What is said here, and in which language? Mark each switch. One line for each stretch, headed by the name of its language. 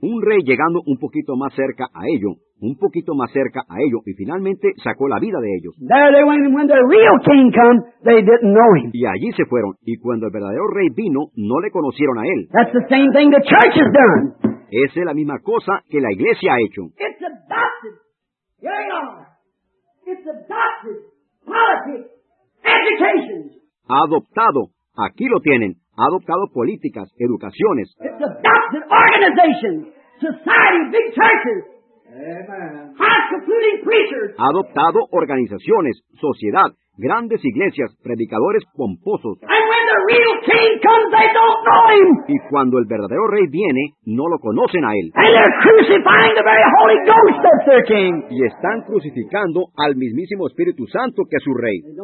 Spanish: Un rey llegando un poquito más cerca a ello. Un poquito más cerca a ello y finalmente sacó la vida de ellos.
English: There they went, and when the real king came, they didn't know him.
Spanish: Y allí se fueron y cuando el verdadero rey vino, no le conocieron a él.
English: That's the same thing the church has done.
Spanish: Esa es la misma cosa que la iglesia ha hecho.
English: It's adopted. Here you are. It's adopted. Politics. Education.
Spanish: Adoptado. Aquí lo tienen. Adoptado políticas, educaciones.
English: It's adopted organizations, society, big churches. Amen.
Spanish: Ha adoptado organizaciones, sociedad, grandes iglesias, predicadores pomposos.
English: And when the real king comes, they don't know him.
Spanish: Y cuando el verdadero rey viene, no lo conocen a él.
English: And they're crucifying the very Holy Ghost that's their king.
Spanish: Y están crucificando al mismísimo Espíritu Santo que es su rey.